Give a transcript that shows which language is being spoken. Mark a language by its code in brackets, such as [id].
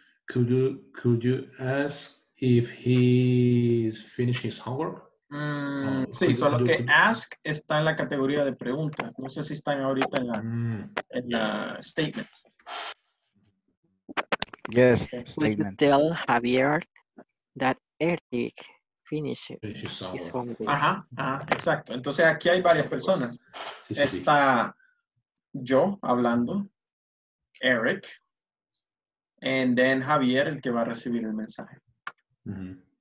[en] Could you ask if he's finished his homework? [es] Sí, solo que ask está en la categoría de preguntas. No sé si están ahorita en la, en la statements. [en] Yes, statement. Could you tell Javier that Eric finished his homework? [es] Ajá, ajá, exacto. Entonces aquí hay varias personas. Sí, sí, está sí. Yo hablando, Eric, and then Javier, el que va a recibir el mensaje. Mm-hmm.